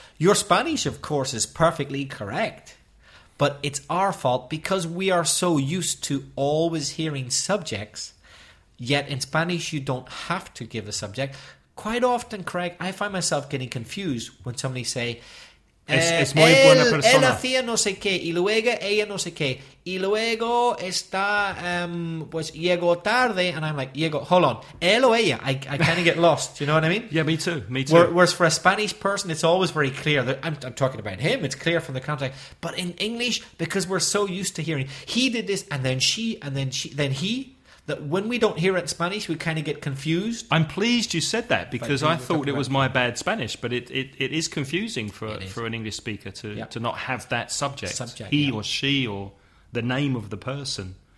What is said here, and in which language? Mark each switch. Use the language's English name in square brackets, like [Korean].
[English] Your Spanish, of course, is perfectly correct, but it's our fault because we are so used to always hearing subjects Yet in Spanish, you don't have to give a subject. Quite often, Craig, I find myself getting confused when somebody say, [Spanish] es muy buena persona. Él hacía no sé qué, y luego ella no sé qué, y luego está, pues llegó tarde, [English] and I'm like, [Spanish] llegó, [English] hold on, [Spanish] él o ella, [English] I kind of get lost, you know what I mean? Yeah, me too. Whereas for a Spanish person, it's always very clear, that I'm talking about him, it's clear from the context, but in English, because we're so used to hearing, he did this, and then he, that when we don't hear it in Spanish, we kind of get confused. I'm pleased you said that because I thought it was my bad Spanish, but it is confusing for an English speaker to not have that subject he or she or the name of the person.